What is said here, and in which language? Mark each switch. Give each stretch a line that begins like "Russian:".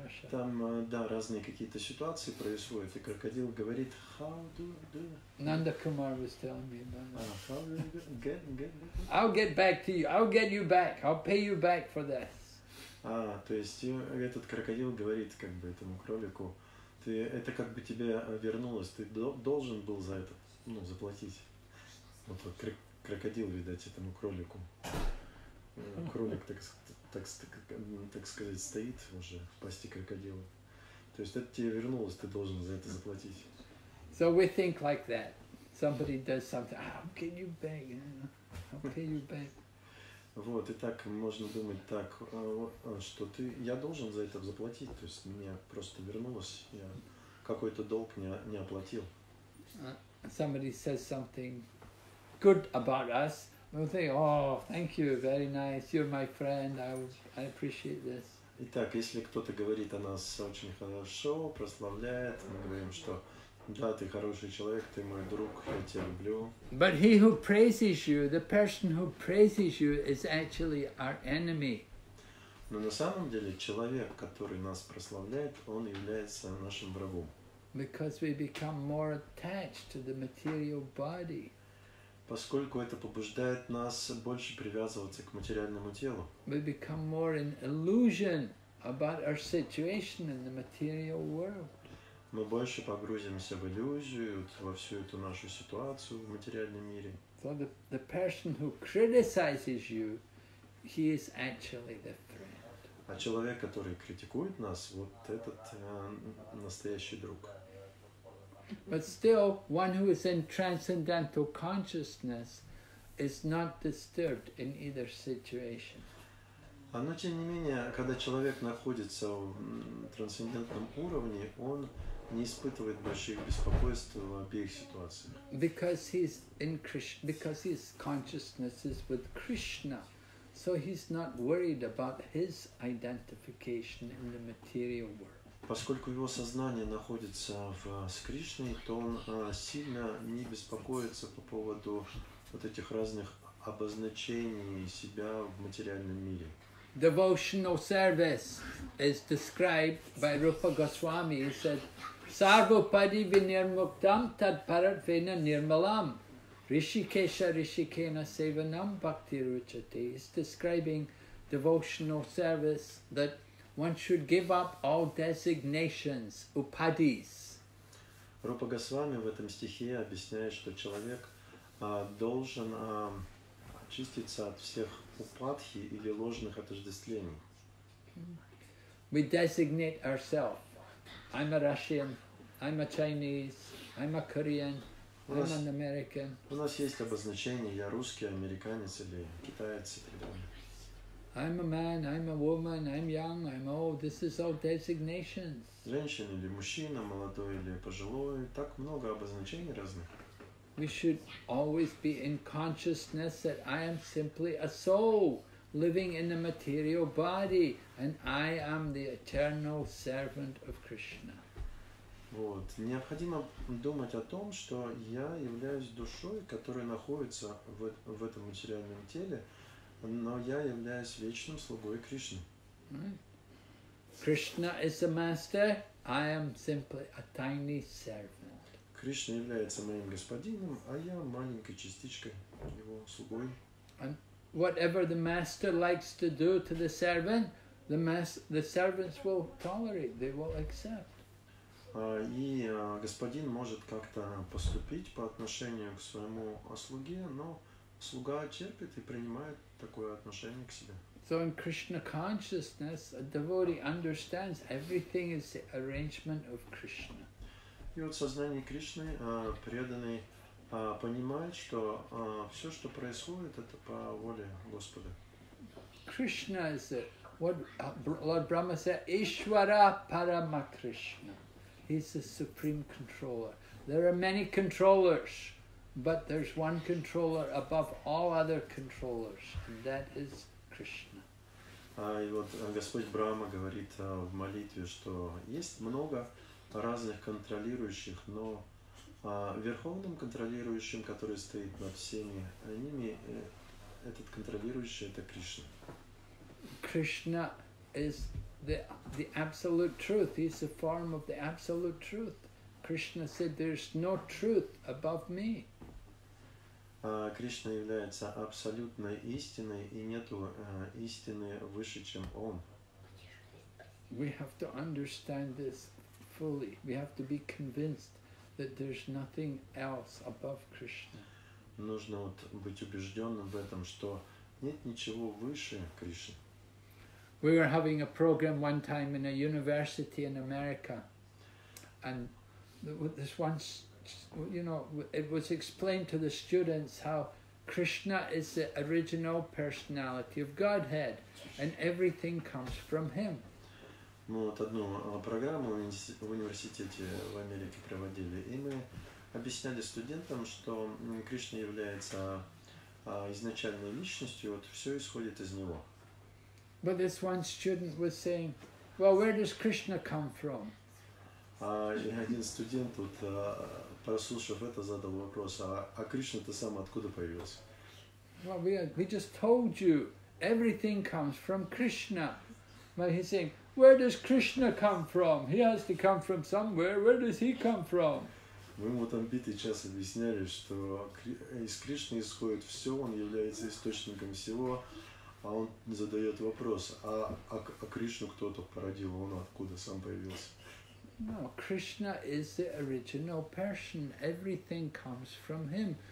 Russian: Там, да, разные какие-то ситуации происходят, и крокодил говорит,
English: how do you do? Nanda Kumar was telling me about that. How do you get? I'll get back to you, I'll get you back, I'll pay you back for this.
Russian: То есть этот крокодил говорит как бы этому кролику, ты это как бы тебе вернулось, ты должен был за это, ну, заплатить. Вот крокодил, видать, этому кролику. Кролик, так сказать, стоит уже в пасти крокодила. То есть это тебе вернулось, ты должен за это заплатить.
English: So we think like that. Somebody does something. I'll get you back. I'll pay you back.
Russian: Вот, и так можно думать так, что ты, я должен за это заплатить. То есть мне просто вернулось, я какой-то долг не оплатил.
English: Somebody says something good about us. We'll think, oh, thank you, very nice. You're my friend. I appreciate this.
Russian: Итак, если кто-то говорит о нас очень хорошо, прославляет, мы говорим, что да, ты хороший человек, ты мой друг, я тебя люблю.
English: But he who praises you, the person who praises you, is actually our enemy.
Russian: Но на самом деле человек, который нас прославляет, он является нашим врагом.
English: Because we become more attached to the material body.
Russian: Поскольку это побуждает нас больше привязываться к материальному телу.
English: We become more in illusion about our situation in the material world.
Russian: Мы больше погрузимся в иллюзию, во всю эту нашу ситуацию в материальном мире.
English: So the person who criticizes you, he is actually the friend.
Russian: А человек, который критикует нас, вот этот настоящий друг.
English: But still, one who is in transcendental consciousness, is not disturbed in either situation.
Russian: Но тем не менее, когда человек находится в трансцендентном уровне, он не испытывает больших беспокойств в обеих ситуациях.
English: Because he's in Krishna, because his consciousness is with Krishna, so he's not worried about his identification in the material world.
Russian: Поскольку его сознание находится с Кришной, то он сильно не беспокоится по поводу вот этих разных обозначений себя в материальном мире.
English: Devotional service is described by Rupa Goswami.
Sanskrit: He said, Sarvapadi vinirmuktam tad paratvena nirmalam. Rishikesha rishikena sevanam bhakti ruchati.
English: He's describing devotional service that one should give up all designations, upadis.
Russian: Rupa Goswami в этом стихе объясняет, что человек должен очиститься от всех упадхи или ложных отождествлений.
English: We designate ourselves. I'm a Russian, I'm a Chinese, I'm a Korean, I'm an American.
Russian: У нас есть обозначение, я русский, американец или китаец и так далее.
English: I'm a man, I'm a woman, I'm young, I'm old. This is all designations.
Russian: Женщина или мужчина, молодой или пожилой. Так много обозначений разных.
English: We should always be in consciousness that I am simply a soul living in a material body and I am the eternal servant of Krishna.
Russian: Вот. Необходимо думать о том, что я являюсь душой, которая находится в этом материальном теле, но я являюсь вечным слугой Кришны.
English: Krishna is the master, I am simply a tiny servant.
Russian: Кришна является моим господином, а я маленькой частичкой его слугой.
English: And whatever the master likes to do to the servant, the servants will tolerate, they will accept.
Russian: Господин может как-то поступить по отношению к своему слуге, но слуга терпит и принимает такое отношение к себе.
English: So in Krishna consciousness, a devotee understands everything is the arrangement of Krishna.
Russian: И вот в сознании Кришны преданный понимает, что все, что происходит, это по воле Господа.
English: Krishna is the, what Lord Brahma said,
Sanskrit: Ishvara Paramakrishna.
English: He's the supreme controller. There are many controllers, but there's one controller above all other controllers, and that is Krishna.
Russian: Господь Брахма говорит в молитве, что есть много разных контролирующих, но верховным контролирующим, который стоит над всеми ними, этот контролирующий — это Кришна.
English: Krishna is the absolute truth. He's the form of the absolute truth. Krishna said, "There's no truth above me."
Russian: Кришна является абсолютной истиной, и нету истины выше, чем Он.
English: We have to understand this. Fully. We have to be convinced that there's nothing else above Krishna.
Russian: Нужно вот быть убежденным в этом, что нет ничего выше Кришны.
English: We were having a program one time in a university in America, and this once, you know, it was explained to the students how Krishna is the original personality of Godhead, and everything comes from Him.
Russian: Мы вот одну программу в университете в Америке проводили, и мы объясняли студентам, что Кришна является изначальной личностью, вот все исходит из него.
English: But this one student was saying, well, where does Krishna come from?
Russian: И один студент вот, прослушав это, задал вопрос, а Кришна-то сам откуда появился?
English: Well, we just told you, everything comes from Krishna. But he's saying, where does Krishna come from? He has to come from somewhere. Where does he come from?
Russian: Мы ему там битый час объясняли, что из Кришны исходит все, он является источником всего, а он задает вопрос, а Кришну кто-то породил, он откуда сам появился?
English: No, Krishna is the original person. Everything comes from him.